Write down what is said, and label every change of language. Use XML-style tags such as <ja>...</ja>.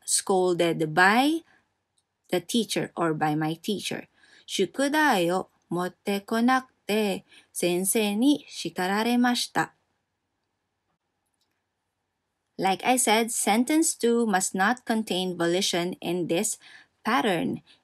<en>Scolded by the teacher or by my teacher.</en> <ja>宿題を持ってこなくて先生に叱られました.</ja> <en>Like I said, sentence 2 must not contain volition in this pattern.</en>